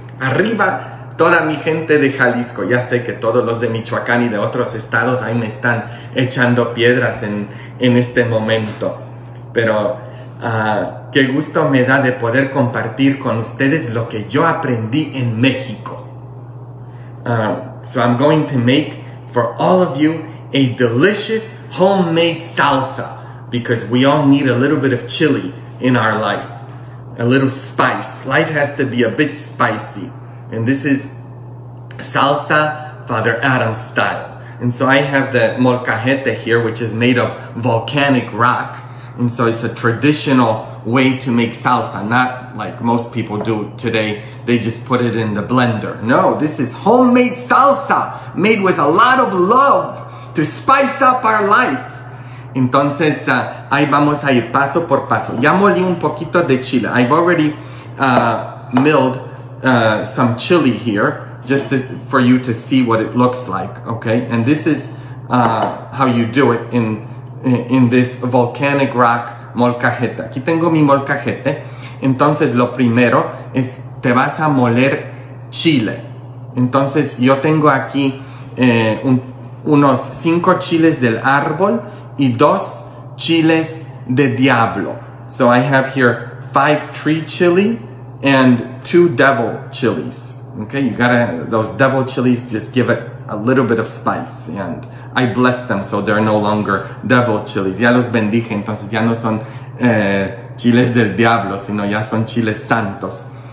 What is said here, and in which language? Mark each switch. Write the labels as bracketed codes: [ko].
[es] Arriba toda mi gente de Jalisco. Ya sé que todos los de Michoacán y de otros estados ahí me están echando piedras en este momento. Pero qué gusto me da de poder compartir con ustedes lo que yo aprendí en México. [en] So I'm going to make for all of you a delicious homemade salsa, because we all need a little bit of chili in our life, a little spice. Life has to be a bit spicy. And this is salsa Father Adam style. And so I have the molcajete here, which is made of volcanic rock. And so it's a traditional way to make salsa, not like most people do today. They just put it in the blender. No, this is homemade salsa made with a lot of love to spice up our life. [es] Entonces, ahí vamos a ir paso por paso. Ya molí un poquito de chile. [en] I've already milled some chili here just for you to see what it looks like, okay? And this is how you do it in this volcanic rock molcajete. [es] Aquí tengo mi molcajete. Entonces, lo primero es te vas a moler chile. Entonces, yo tengo aquí unos 5 chiles del árbol y 2 chiles de diablo. [en] So I have here 5 tree chili and 2 devil chilies. Okay, you gotta, those devil chilies just give it a little bit of spice. And I bless them, so they're no longer devil chilies. [es] Ya los bendije, entonces ya no son chiles del diablo, sino ya son chiles santos.